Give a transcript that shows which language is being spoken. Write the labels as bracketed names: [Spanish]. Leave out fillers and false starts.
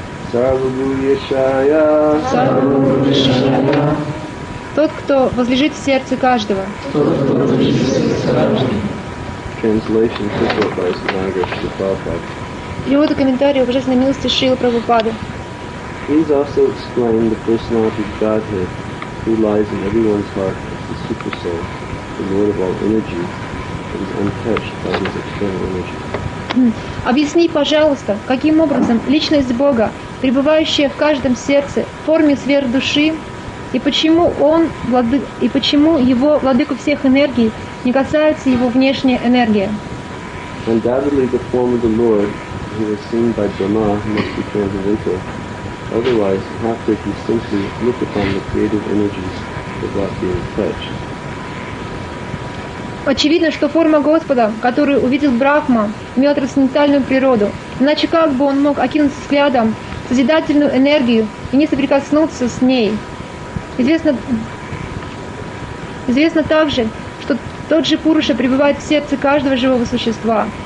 [Sanskrit] Сарвабхуешая. Сарвабхуешая. [Russian] Тот, кто возлежит в сердце каждого. [English] Translation support by Sanagar Shri Prabhupada. [Russian] Переводы комментарии о Божественной милости Шрилы Прабхупады. [English] Please also explain the personality of Godhead who lies in everyone's heart as the super soul, the lord of all energy, and is untouched by his external energy. [Russian] Объясни, пожалуйста, каким образом личность Бога, пребывающая в каждом сердце в форме сверхдуши, И почему его владыку всех энергий не касается его внешняя энергия? [English] Undoubtedly the form of the Lord who is seen by Brahma must be transcendental. Otherwise, how could he simply look upon the creative energies without being touched? [Russian] Очевидно, что форма Господа, которую увидел Брахма, имела трансцендентальную природу. Иначе как бы он мог окинуть взглядом созидательную энергию и не соприкоснуться с ней? Известно также, что тот же Пуруша пребывает в сердце каждого живого существа.